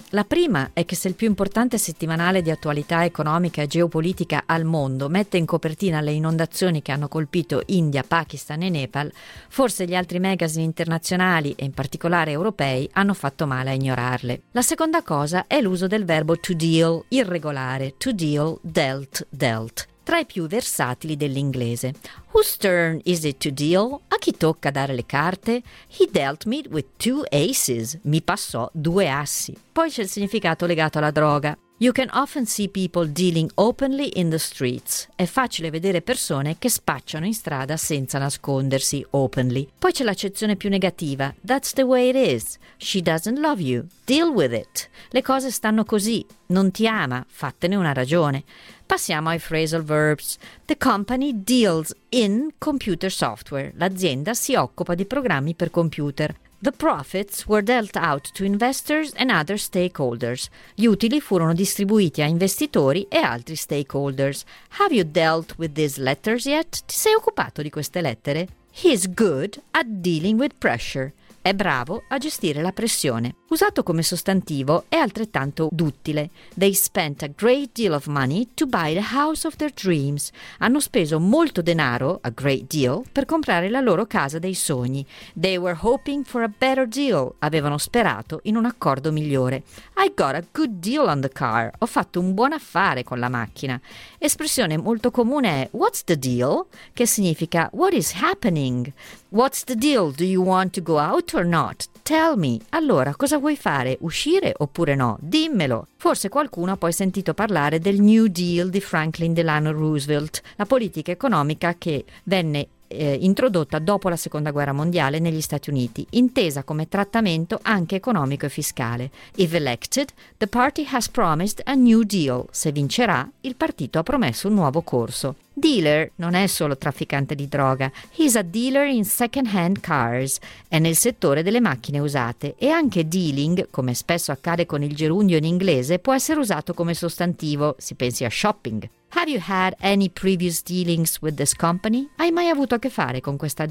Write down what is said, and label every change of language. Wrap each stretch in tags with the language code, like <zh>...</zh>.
<it>La prima è che se il più importante settimanale di attualità economica e geopolitica al mondo mette in copertina le inondazioni che hanno colpito India, Pakistan e Nepal, forse gli altri magazine internazionali, e in particolare europei, hanno fatto male a ignorarle. La seconda cosa è l'uso del verbo to deal, irregolare, to deal, dealt, dealt. Tra i più versatili dell'inglese.</it> <en>Whose turn is it to deal?</en> <it>A chi tocca dare le carte?</it> <en>He dealt me with two aces.</en> <it>Mi passò due assi. Poi c'è il significato legato alla droga.</it> <en>You can often see people dealing openly in the streets.</en> <it>È facile vedere persone che spacciano in strada senza nascondersi openly. Poi c'è l'accezione più negativa.</it> <en>That's the way it is. She doesn't love you. Deal with it.</en> <it>Le cose stanno così. Non ti ama. Fattene una ragione. Passiamo ai phrasal verbs.</it> <en>The company deals in computer software.</en> <it>L'azienda si occupa di programmi per computer.</it> <en>The profits were dealt out to investors and other stakeholders.</en> <it>Gli utili furono distribuiti a investitori e altri stakeholders.</it> <en>Have you dealt with these letters yet?</en> <it>Ti sei occupato di queste lettere?</it> <en>He's good at dealing with pressure.</en> <it>È bravo a gestire la pressione. Usato come sostantivo, è altrettanto duttile.</it> <en>They spent a great deal of money to buy the house of their dreams.</en> <it>Hanno speso molto denaro, a great deal, per comprare la loro casa dei sogni.</it> <en>They were hoping for a better deal.</en> <it>Avevano sperato in un accordo migliore.</it> <en>I got a good deal on the car.</en> <it>Ho fatto un buon affare con la macchina. Espressione molto comune è</it> <en>what's the deal?</en> <it>Che significa</it> <en>what is happening? What's the deal? Do you want to go out or not? Tell me.</en> <it>Allora, cosa vuoi fare? Uscire oppure no? Dimmelo. Forse qualcuno ha poi sentito parlare del New Deal di Franklin Delano Roosevelt, la politica economica che venne introdotta dopo la Seconda Guerra Mondiale negli Stati Uniti, intesa come trattamento anche economico e fiscale.</it> <en>If elected, the party has promised a new deal.</en> <it>Se vincerà, il partito ha promesso un nuovo corso. Dealer non è solo trafficante di droga.</it> <en>He's a dealer in second-hand cars.</en> <it>È nel settore delle macchine usate. E anche dealing, come spesso accade con il gerundio in inglese, può essere usato come sostantivo, si pensi a shopping.</it> <en>Have you had any previous dealings with this company?</en> <it>Hai mai avuto a che fare con questa azienda?</it>